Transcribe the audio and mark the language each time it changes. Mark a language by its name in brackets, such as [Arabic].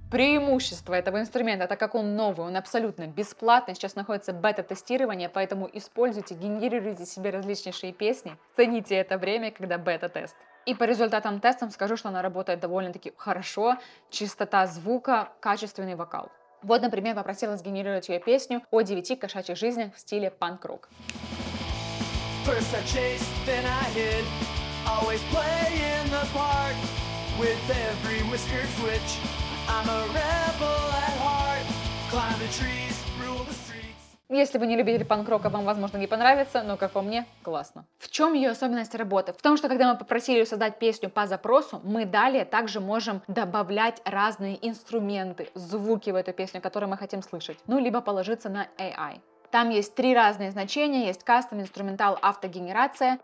[Russian] Преимущество этого инструмента, так как он новый, он абсолютно бесплатный, сейчас находится бета-тестирование, поэтому используйте, генерируйте себе различнейшие песни, цените это время, когда бета-тест. И по результатам тестов скажу, что она работает довольно-таки хорошо, чистота звука, качественный вокал. Вот, например, попросила сгенерировать ее песню «О 9 кошачьих жизнях» в стиле панк-рок. [English] First I chased, then I hid, always playing the part. With every whisker twitch, I'm a rebel at heart. Climb the trees, rule the streets. [Russian] Если вы не любитель панк-рока, вам, возможно, не понравится, но, как по мне, классно. В чем ее особенность работы? В том, что когда мы попросили ее создать песню по запросу, мы далее также можем добавлять разные инструменты, звуки в эту песню, которые мы хотим слышать. Ну, либо положиться на AI. Там есть три разные значения, есть кастом, инструментал, автогенерация.